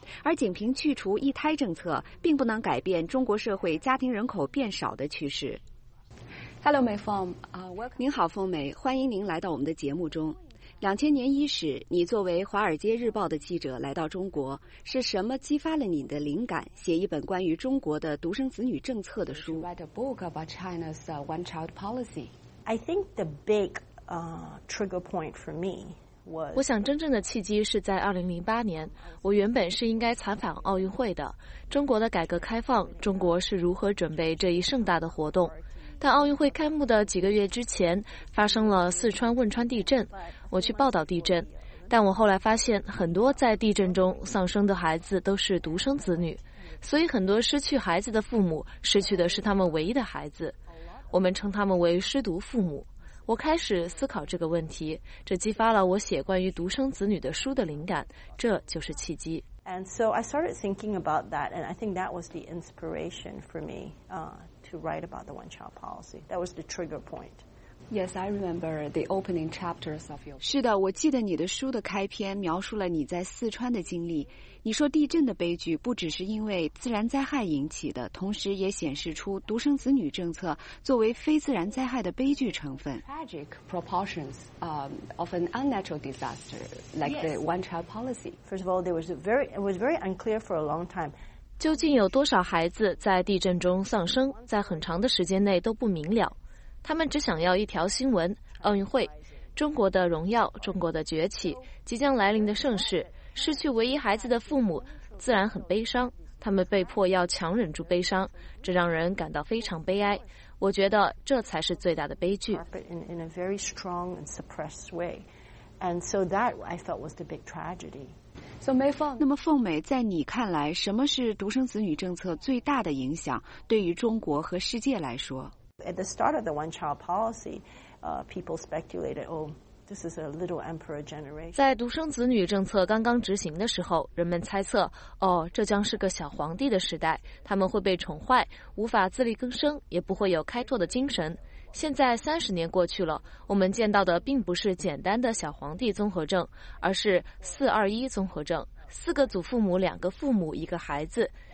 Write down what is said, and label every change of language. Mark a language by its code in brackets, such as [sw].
[zh] 而仅凭去除一胎政策，并不能改变中国社会家庭人口变少的趋势。 [en] Hello, May Fong. Welcome. [zh] 您好，凤美，欢迎您来到我们的节目中。2000年伊始，你作为《华尔街日报》的记者来到中国，是什么激发了你的灵感，写一本关于中国的独生子女政策的书 [en] ？Write a book about China's one-child policy. I think the big trigger point for me. [zh] 我想真正的契机是在2008年，我原本是应该采访奥运会的，中国的改革开放，中国是如何准备这一盛大的活动。但奥运会开幕的几个月之前，发生了四川汶川地震，我去报道地震，但我后来发现很多在地震中丧生的孩子都是独生子女，所以很多失去孩子的父母失去的是他们唯一的孩子，我们称他们为失独父母。我开始思考这个问题，这激发了我写关于独生子女的书的灵感，这就是契机。 [en] And so I started thinking about that, and I think that was the inspiration for me, to write about the one-child policy. That was the trigger point. Yes, I remember the opening chapters of your. [zh] 是的，我记得你的书的开篇描述了你在四川的经历。你说地震的悲剧不只是因为自然灾害引起的，同时也显示出独生子女政策作为非自然灾害的悲剧成分。 [en] Tragic proportions of an unnatural disaster like the one-child policy. First of all, it was very unclear for a long time. [zh] 究竟有多少孩子在地震中丧生，在很长的时间内都不明了。他们只想要一条新闻：奥运会，中国的荣耀，中国的崛起，即将来临的盛世。失去唯一孩子的父母自然很悲伤，他们被迫要强忍住悲伤，这让人感到非常悲哀。我觉得这才是最大的悲剧。 [en] In a very strong and suppressed way, and so that I felt was the big tragedy. So May Fong, [zh] 那么凤美，在你看来，什么是独生子女政策最大的影响？对于中国和世界来说？ [en] At the start of the one-child policy, people speculated, "Oh, this is a little emperor generation." [zh] 在独生子女政策刚刚执行的时候，人们猜测，哦，这将是个小皇帝的时代，他们会被宠坏，无法自力更生，也不会有开拓的精神。现在30年过去了，我们见到的并不是简单的小皇帝综合症，而是4-2-1综合症，四个祖父母，两个父母，一个孩子。